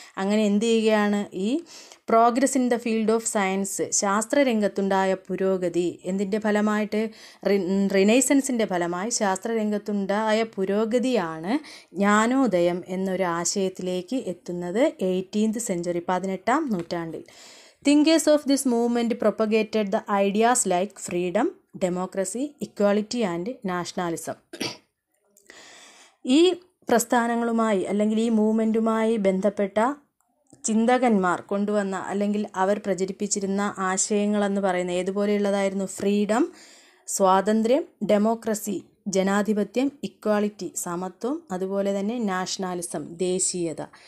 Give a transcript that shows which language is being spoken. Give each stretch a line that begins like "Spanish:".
Malayalam: അങ്ങനെ എന്ത് ചെയ്യുകയാണ്, ഈ
English: progress in the field of science,
Malayalam: ശാസ്ത്രരംഗത്തുണ്ടായ പുരോഗതി എന്തിൻ്റെ ഫലമായിട്ട്, റിനൈസൻസിൻ്റെ ഫലമായി ശാസ്ത്രരംഗത്തുണ്ടായ പുരോഗതിയാണ് ജ്ഞാനോദയം എന്നൊരു ആശയത്തിലേക്ക് എത്തുന്നത്
English: 18th century 18th century. Thinkers of this movement propagated the ideas like freedom, democracy, equality and nationalism.
Malayalam: ഈ പ്രസ്ഥാനങ്ങളുമായി അല്ലെങ്കിൽ ഈ മൂവ്മെൻറ്റുമായി ബന്ധപ്പെട്ട ചിന്തകന്മാർ കൊണ്ടുവന്ന അല്ലെങ്കിൽ അവർ പ്രചരിപ്പിച്ചിരുന്ന ആശയങ്ങളെന്ന് പറയുന്നത് ഏതുപോലെയുള്ളതായിരുന്നു? ഫ്രീഡം, സ്വാതന്ത്ര്യം, ഡെമോക്രസി, ജനാധിപത്യം, ഇക്വാളിറ്റി, സമത്വം, അതുപോലെ തന്നെ നാഷണാലിസം, ദേശീയത.